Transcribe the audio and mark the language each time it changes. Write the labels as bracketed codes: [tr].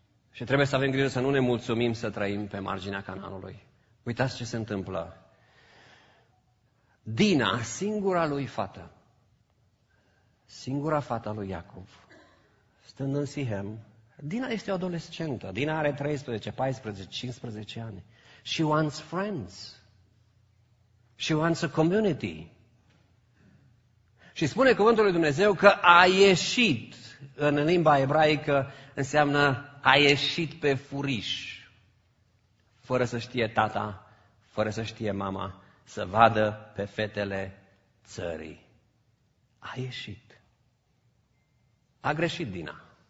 [ro] Și trebuie să avem grijă să nu ne mulțumim să trăim pe marginea Canaanului. Uitați ce se întâmplă. Dina, singura lui fată, singura fată lui Iacov, stând în Sihem, Dina este o adolescentă. Dina are 13, 14, 15 ani. [en] She wants friends. She wants a community. [ro] Și spune cuvântul lui Dumnezeu că a ieșit, în limba ebraică înseamnă a ieșit pe furiș, fără să știe tata, fără să știe mama, să vadă pe fetele țării. A ieșit. A greșit Dina.